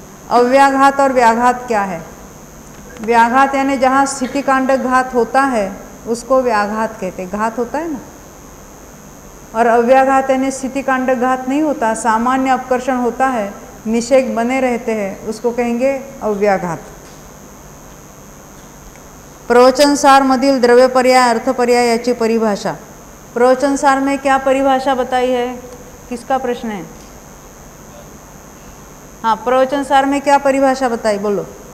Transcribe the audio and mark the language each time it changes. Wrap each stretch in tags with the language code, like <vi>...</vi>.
<hi>अव्याघात और व्याघात क्या है? व्याघात यानी जहाँ स्थिति कांडक घात होता है उसको व्याघात कहते हैं, घात होता है ना, और अव्याघात यानी स्थिति कांडक घात नहीं होता, सामान्य अपकर्षण होता है, निषेक बने रहते हैं, उसको कहेंगे अव्याघात।</hi> <mr>प्रवचनसार मधील द्रव्य पर्याय अर्थ पर्याय याची परिभाषा।</mr> <hi>प्रवचनसार में क्या परिभाषा बताई है, किसका प्रश्न है? हाँ, प्रवचनसार में क्या परिभाषा बताई, बोलो।</hi>